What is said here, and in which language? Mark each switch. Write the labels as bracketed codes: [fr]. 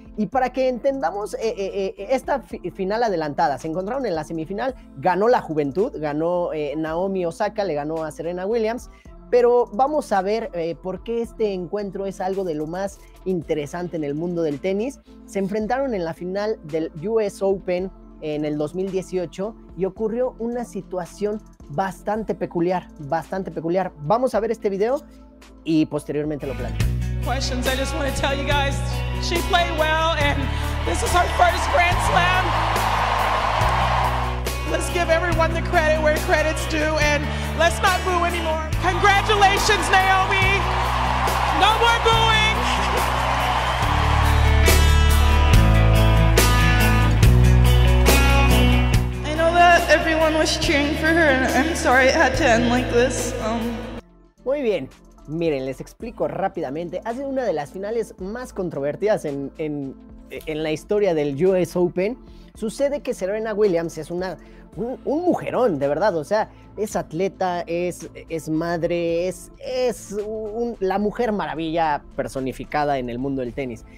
[es] Y para que entendamos esta final adelantada, se encontraron en la semifinal, ganó la juventud, ganó Naomi Osaka, le ganó a Serena Williams, pero vamos a ver por qué este encuentro es algo de lo más interesante en el mundo del tenis. Se enfrentaron en la final del US Open en el 2018, y ocurrió una situación bastante peculiar, bastante peculiar. Vamos a ver este video y posteriormente lo planteo. [en] Questions, I just want to tell you guys, she played well and this is her first Grand Slam. Let's give everyone the credit where credit's due and let's not boo anymore. Congratulations, Naomi. No more booing. Everyone was cheering for her and I'm sorry it had to end like this. [es] Muy bien, miren, les explico rápidamente. Ha sido una de las finales más controvertidas en la historia del US Open. Sucede que Serena Williams es un mujerón, de verdad. O sea, es atleta, es madre, es la mujer maravilla personificada en el mundo del tenis.